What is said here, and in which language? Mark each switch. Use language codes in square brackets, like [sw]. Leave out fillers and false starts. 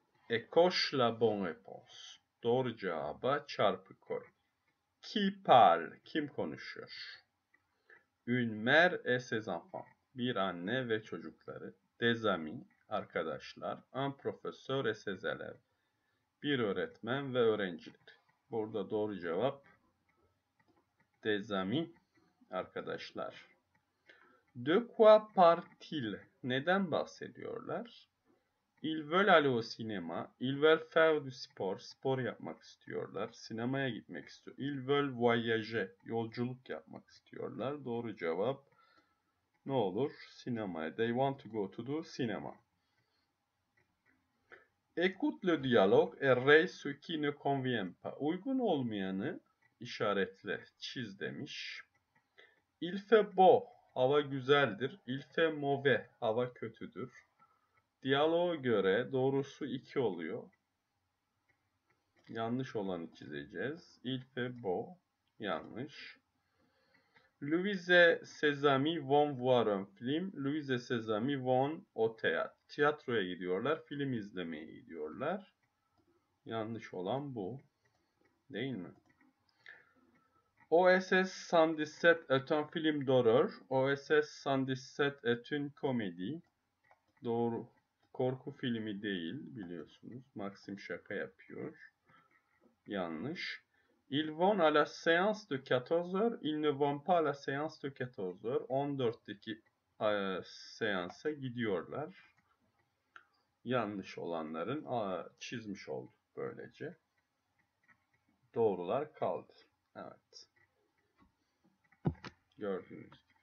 [fr] Ecoche la bonne réponse. [tr] Doğru cevaba çarpı koy. [fr] Qui parle? [tr] Kim konuşuyor? [fr] Une mère et ses enfants. [tr] Bir anne ve çocukları. [fr] Des amis, [tr] arkadaşlar. [fr] Un professeur et ses élèves. [tr] Bir öğretmen ve öğrencileri. Burada doğru cevap. [fr] Des amis, [tr] arkadaşlar. [fr] De quoi parle-t-il? [tr] Neden bahsediyorlar? [fr] Ils veulent aller au cinéma. Ils veulent faire du sport. [tr] Spor yapmak istiyorlar. Sinemaya gitmek istiyor. [fr] Ils veulent voyager. [tr] Yolculuk yapmak istiyorlar. Doğru cevap ne olur? Sinemaya. [en] They want to go to the cinema. [fr] Écoute le dialogue et raise ce qui ne convient pas. [tr] Uygun olmayanı işaretle çiz demiş. [fr] Il fait beau. [tr] Hava güzeldir. [fr] Il fait mauvais. [tr] Hava kötüdür. Diyaloğa göre doğrusu 2 oluyor. Yanlış olanı çizeceğiz. [fr] Il fait beau. Yanlış. Louise ses amis vont voir un film. Louise ses amis vont au théâtre. [tr] Tiyatroya gidiyorlar. Film izlemeye gidiyorlar. Yanlış olan bu. Değil mi? [fr] OSS 117 est un film d'horreur. OSS 117 est une comédie. Doğru. [tr] Korku filmi değil biliyorsunuz. Maxim şaka yapıyor. Yanlış. [fr] Ils vont à la séance de 14h. Ils ne vont pas à la séance de 14h. [tr] 14'teki seansa gidiyorlar. Yanlış olanların çizmiş olduk böylece. Doğrular kaldı. Evet. Gördüğünüz gibi.